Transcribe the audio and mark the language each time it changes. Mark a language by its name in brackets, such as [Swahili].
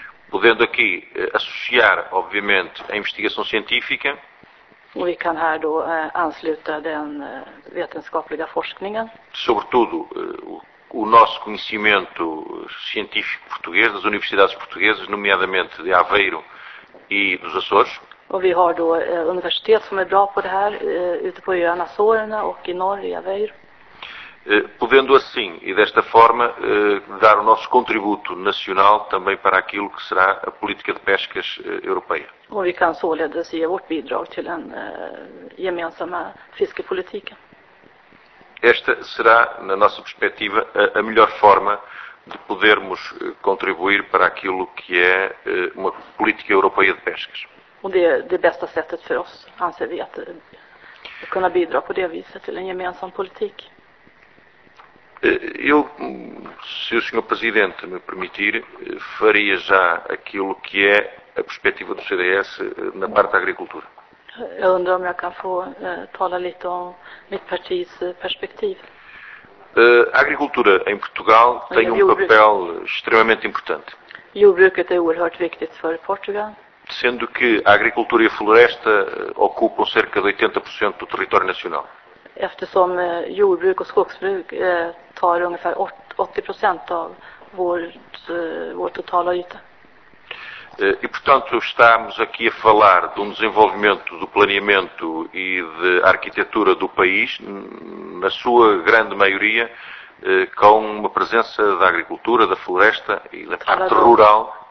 [Portuguese] Podendo aqui associar, obviamente, a investigação científica. [Swedish] Och vi kan här då ansluta den vetenskapliga forskningen. [Portuguese] Sobretudo o nosso conhecimento científico português, das universidades portuguesas, nomeadamente de Aveiro e dos Açores. [Swedish] Och vi har då universitet som är bra på det här, ute på öarna Açorerna och i norr i Aveiro. [Portuguese] Podendo assim e desta forma dar o nosso contributo nacional também para aquilo que será a política de pescas europeia. [Swedish] Och vi kan således ge vårt bidrag till den gemensamma fiskepolitiken. [Portuguese] Esta será, na nossa perspectiva, a melhor forma de podermos contribuir para aquilo que é uma política europeia de pescas. [Swedish] Och det är det bästa sättet för oss, anser vi, att kunna bidra på det viset till en gemensam politik. [Portuguese] Eu, se o Sr. Presidente me permitir, faria já aquilo que é a perspectiva do CDS na parte da agricultura. [Swedish] Eu undrar om jag kan få tala lite om mitt partis perspektiv. [Portuguese] A agricultura em Portugal tem um papel extremamente importante. [Swedish] Jordbruket är oerhört viktigt för Portugal. [Portuguese] Sendo que a agricultura e a floresta ocupam cerca de 80% do território nacional. [Swedish] Eftersom jordbruk och skogsbruk tar ungefär 80% av vår totala yta. [Portuguese] E portanto estamos aqui a falar de desenvolvimento do planeamento e de arquitetura do país, na sua grande maioria, com uma presença da agricultura, da floresta e da parte rural.